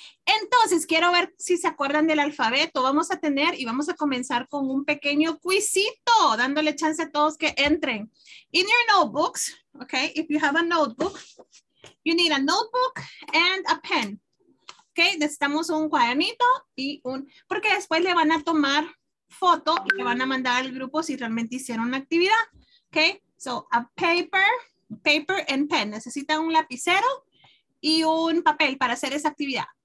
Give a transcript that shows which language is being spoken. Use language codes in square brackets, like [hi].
[es] Entonces, quiero ver si se acuerdan del alfabeto. Vamos a tener y vamos a comenzar con un pequeño quizito, dándole chance a todos que entren. [en] In your notebooks, okay, if you have a notebook, you need a notebook and a pen. [es] Okay, necesitamos un cuadernito y un, porque después le van a tomar foto y le van a mandar al grupo si realmente hicieron una actividad. [en] Okay, so a paper and pen. [es] Necesitan un lapicero y un papel para hacer esa actividad.